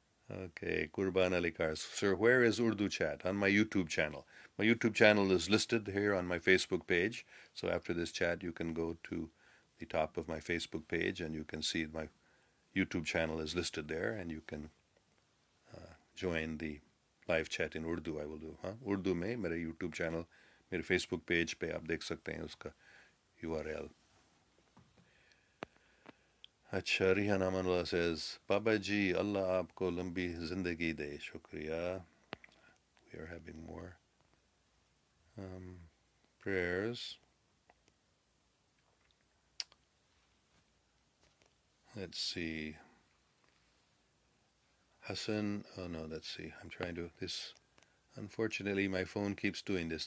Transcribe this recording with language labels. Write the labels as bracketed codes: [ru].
[en] Okay, Kurban Alikar, sir, where is Urdu chat? On my YouTube channel. My YouTube channel is listed here on my Facebook page. So after this chat, you can go to the top of my Facebook page and you can see my YouTube channel is listed there and you can join the live chat in Urdu I will do. Huh? [ur] Urdu میں، میرے YouTube channel، میرے Facebook page پے آپ دیکھ سکتے ہیں اسکا URL۔ اچھا، Riha Namanullah says، بابا جی، اللہ آپکو لمبی زندگی دے۔ شکریہ۔ [en] We are having more prayers. Let's see. Hassan, oh no, let's see. I'm trying to, this, unfortunately, my phone keeps doing this.